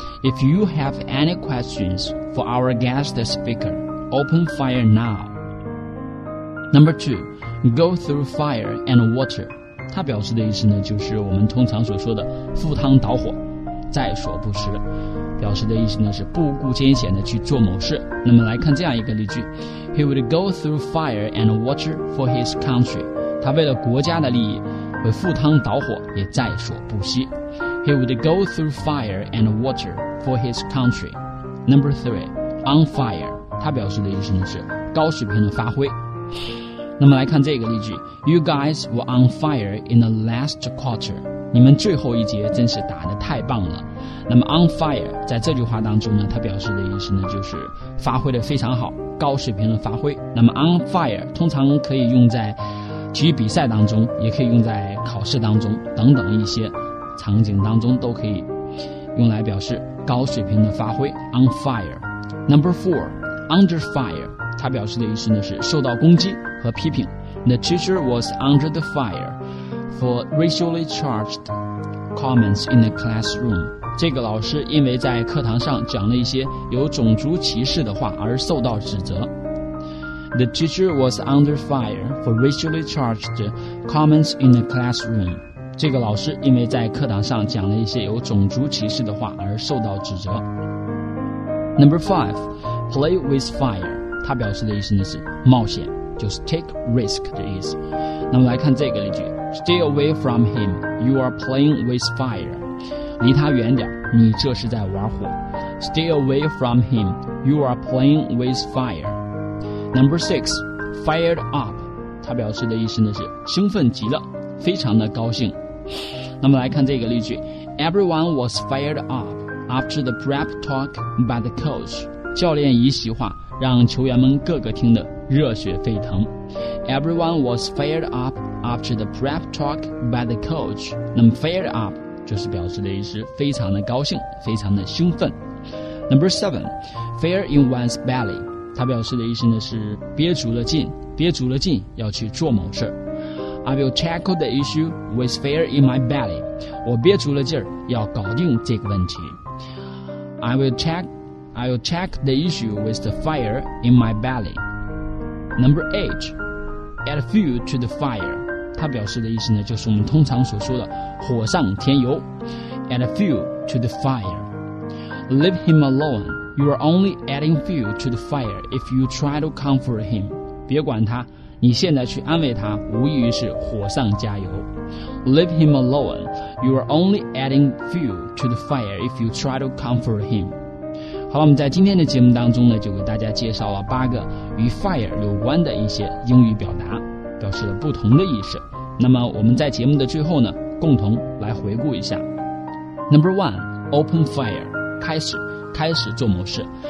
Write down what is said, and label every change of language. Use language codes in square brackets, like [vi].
[en] If you have any questions for our guest speaker, open fire nowNumber two, go through fire and water. [zh] 它表示的意思呢，就是我们通常所说的赴汤蹈火，在所不辞。表示的意思呢，是不顾艰险的去做某事。那么来看这样一个例句， [en] He would go through fire and water for his country. [zh] 他为了国家的利益，会赴汤蹈火，也在所不惜。 [en] He would go through fire and water for his country. Number three, on fire. [zh] 它表示的意思呢，是高水平的发挥。那么来看这个例句， [en] You guys were on fire in the last quarter. [zh] 你们最后一节真是打得太棒了。那么 on fire 在这句话当中呢，它表示的意思呢就是发挥得非常好，高水平的发挥。那么 on fire 通常可以用在体育比赛当中，也可以用在考试当中等等一些场景当中，都可以用来表示高水平的发挥， on fire。 [en] Number four, under fire， [zh] 它表示的意思呢是受到攻击和批评。 [en] The teacher was under the fire for racially charged comments in the classroom. [zh] 这个老师因为在课堂上讲了一些有种族歧视的话而受到指责。 [en] The teacher was under fire for racially charged comments in the classroom. [zh] 这个老师因为在课堂上讲了一些有种族歧视的话而受到指责。 [en] Number five, play with fire. [zh] 它表示的意思呢是冒险，就是 take risk 的意思。那么来看这个例句， [en] Stay away from him, you are playing with fire. [zh] 离他远点，你这是在玩火。 [en] Stay away from him, you are playing with fire. Number six, fired up. [zh] 它表示的意思呢是兴奋极了，非常的高兴。那么来看这个例句， [en] Everyone was fired up after the prep talk by the coach. [zh] 教练一席话让球员们个个听得热血沸腾。 [en] Everyone was fired up after the prep talk by the coach. [zh] 那么 fired up 就是表示的意思非常的高兴，非常的兴奋。 [en] Number seven, fire in one's belly. [zh] 它表示的意思呢是憋足了劲，憋足了劲要去做某事。 [en] I will tackle the issue with fire in my belly. [zh] 我憋足了劲儿要搞定这个问题。 [en] I'll check the issue with the fire in my belly. Number eight, add fuel to the fire. [zh] 它表示的意思呢，就是我们通常所说的火上添油。 [en] Add fuel to the fire. Leave him alone. You are only adding fuel to the fire if you try to comfort him. [zh] 别管他，你现在去安慰他，无异于是火上加油。 [en] Leave him alone. You are only adding fuel to the fire if you try to comfort him. [zh] 好了，我们在今天的节目当中呢，就给大家介绍了八个与 fire 有关的一些英语表达，表示了不同的意思。那么我们在节目的最后呢，共同来回顾一下。 [en] Number one, open fire, [zh] 开始做某事。